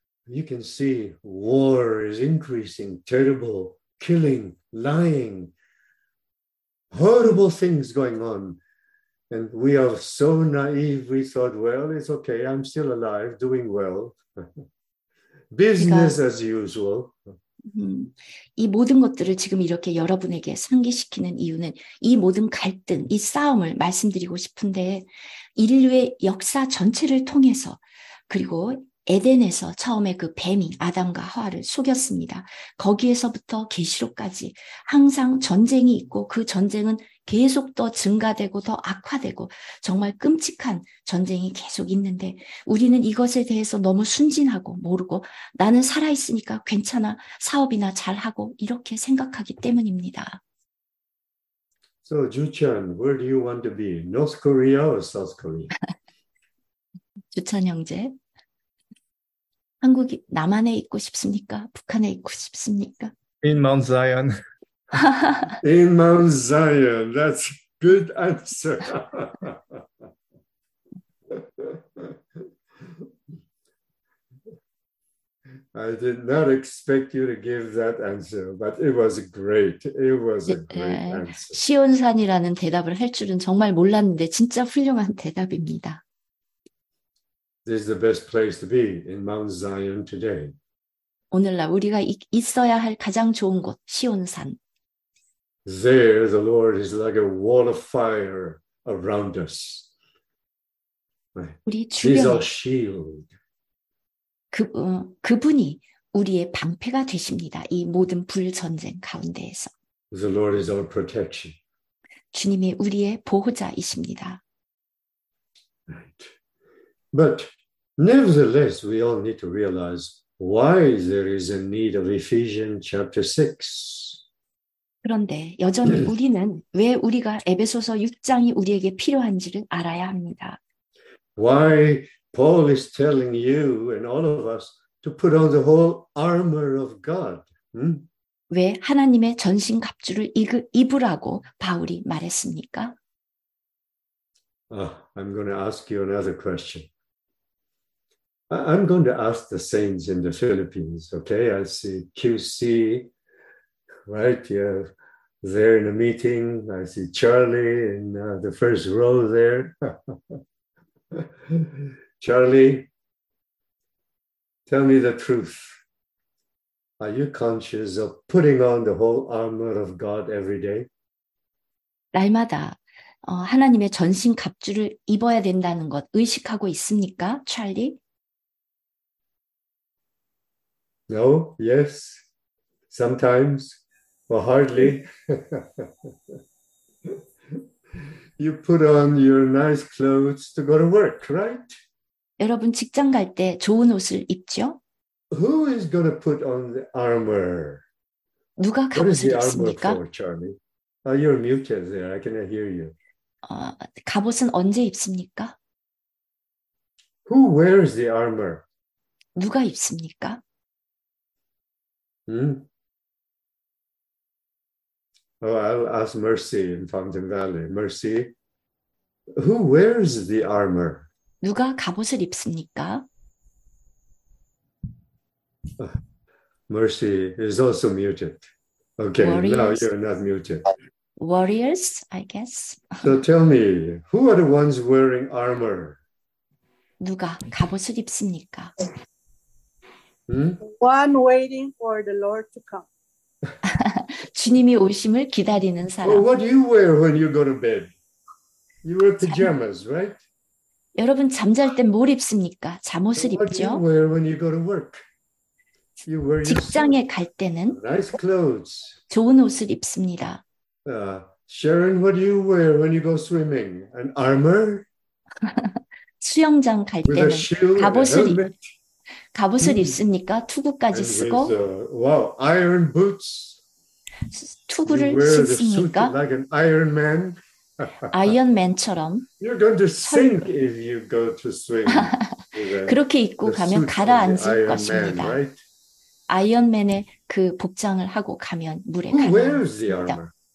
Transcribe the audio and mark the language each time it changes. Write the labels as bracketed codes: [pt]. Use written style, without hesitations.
[en] You can see war is increasing, terrible, killing, lying, horrible things going on. And we are so naive, we thought, well, it's okay, I'm still alive, doing well. Business as usual. [ko] 이 모든 것들을 지금 이렇게 여러분에게 상기시키는 이유는 이 모든 갈등, 이 싸움을 말씀드리고 싶은데 인류의 역사 전체를 통해서 그리고 에덴에서 처음에 그 뱀이 아담과 하와를 속였습니다. 거기에서부터 계시록까지 항상 전쟁이 있고 그 전쟁은 계속 더 증가되고 더 악화되고 정말 끔찍한 전쟁이 계속 있는데 우리는 이것에 대해서 너무 순진하고 모르고 나는 살아있으니까 괜찮아 사업이나 잘하고 이렇게 생각하기 때문입니다. [en] So, Ju-chan, where do you want to be? North Korea or South Korea? [ko] 주찬 형제, 한국이 남한에 있고 싶습니까? 북한에 있고 싶습니까? [en] In Mount Zion. In Mount Zion, that's a good answer. I did not expect you to give that answer, but it was great. It was a great answer. [ko] 시온산이라는 대답을 할 줄은 정말 몰랐는데 진짜 훌륭한 대답입니다. [en] This is the best place to be in Mount Zion today. [ko] 오늘날 우리가 있어야 할 가장 좋은 곳 시온산. [en] There, the Lord is like a wall of fire around us. [ko] 우리 주변에 [en] He's our shield. [ko] 그분이 우리의 방패가 되십니다. 이 모든 불 전쟁 가운데에서. [en] The Lord is our protection. [ko] 주님이 우리의 보호자이십니다. [en] Right. But nevertheless, we all need to realize why there is a need of Ephesians chapter 6. [ko] 그런데 여전히 우리는 왜 우리가 에베소서 6장이 우리에게 필요한지를 알아야 합니다. [en] Why Paul is telling you and all of us to put on the whole armor of God? [ko] 왜 하나님의 전신갑주를 입으라고 바울이 말했습니까? [en] I'm going to ask you another question. I'm going to ask the saints in the Philippines, okay? I see QC right here, there in a meeting. I see Charlie in the first row there. Charlie, tell me the truth. Are you conscious of putting on the whole armor of God every day? [ko] 날마다 하나님의 전신 갑주를 입어야 된다는 것 의식하고 있습니까, 찰리? [en] No, yes, sometimes, or hardly. You put on your nice clothes to go to work, right? [ko] 여러분 직장 갈 때 좋은 옷을 입죠? [en] Who is going to put on the armor? [ko] 누가 갑옷을 입습니까? [en] What is the armor for, Charlie? You're muted there. I cannot hear you. [ko] 갑옷은 언제 입습니까? [en] Who wears the armor? [ko] 누가 입습니까? [en] I'll ask Mercy in Fountain Valley. Mercy, who wears the armor? [ko] 누가 갑옷을 입습니까? [en] Mercy is also muted. Okay, Warriors. Now you're not muted. Warriors, I guess. So tell me, who are the ones wearing armor? [ko] 누가 갑옷을 입습니까? [en] One waiting for the Lord to come. [ko] 주님이 오심을 기다리는 사람. [en] Well, what do you wear when you go to bed? You wear pajamas, right? [ko] 여러분 잠잘 때 뭘 입습니까? 잠옷을 입죠. [en] What do you wear when you go to work? You wear [ko] 직장에 갈 때는 [en] nice clothes. [ko] 좋은 옷을 입습니다. [en] Sharon, what do you wear when you go swimming? An armor? [ko] 수영장 갈 [en] With [ko] 때는 갑옷을 입. 갑옷을 입습니까? 투구까지 쓰고? [en] Wow, iron boots. [ko] 투구를 신습니까? [en] Like an iron man. [ko] 아이언맨처럼. [en] You're going to sink if you go to swim. [ko] 그렇게 입고 가면 가라앉을 것입니다. [en] Man, right? [ko] 아이언맨의 그 복장을 하고 가면 물에 가라앉습니다.